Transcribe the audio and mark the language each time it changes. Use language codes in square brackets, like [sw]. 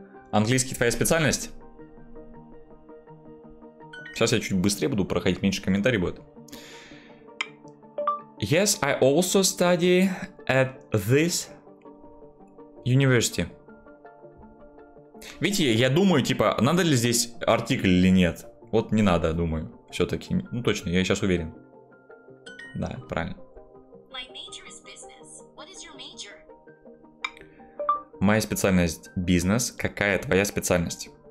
[ru] Английский твоя специальность? Сейчас я чуть быстрее буду проходить, меньше комментариев будет. [en] Yes, I also study at this university. [ru] Видите, я думаю, типа, надо ли здесь артикль или нет. Вот не надо, думаю, все-таки. Ну точно, я сейчас уверен. Да, правильно. [en] My major is business. What is your major? [ru] Моя специальность бизнес. Какая твоя специальность?